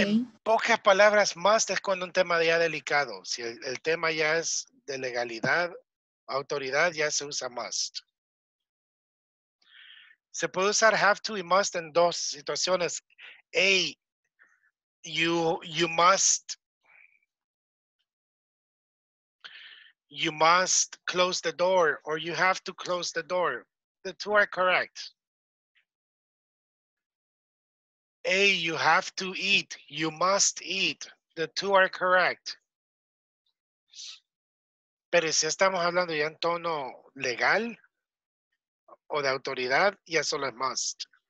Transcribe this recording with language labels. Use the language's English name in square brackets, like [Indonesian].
[Spanish] En pocas palabras, must es cuando un tema ya delicado. Si el tema ya es de legalidad, autoridad, ya se usa must. Se puede usar have to y must en dos situaciones. [English] A, you must close the door or you have to close the door. The two are correct. A, you have to eat, you must eat. The two are correct. [Spanish] Pero si estamos hablando ya en tono legal o de autoridad, ya solo es must.